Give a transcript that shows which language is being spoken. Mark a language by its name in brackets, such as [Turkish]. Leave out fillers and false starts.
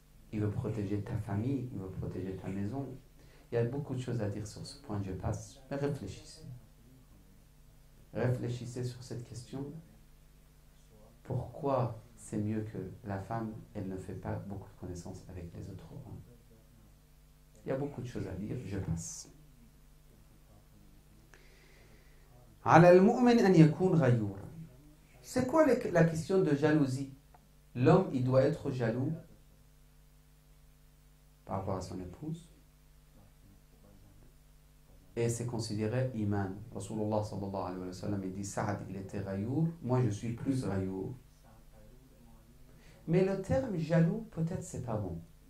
[French] Il veut protéger ta famille, il veut protéger ta maison. Il y a beaucoup de choses à dire sur ce point, je passe. Mais réfléchissez. Réfléchissez sur cette question. Pourquoi c'est mieux que la femme, elle ne fait pas beaucoup de connaissances avec les autres hommes? Il y a beaucoup de choses à dire, je passe. [Arabic] على المؤمن أن يكون غيورا. [French] C'est quoi la question de jalousie? L'homme, il doit être jaloux par rapport à son épouse. Et c'est considéré iman. Rasulullah sallallahu alayhi wa sallam, il dit Sa'ad, il était ghayour. Moi, je suis plus ghayour. Mais le terme jaloux, peut-être, c'est pas bon.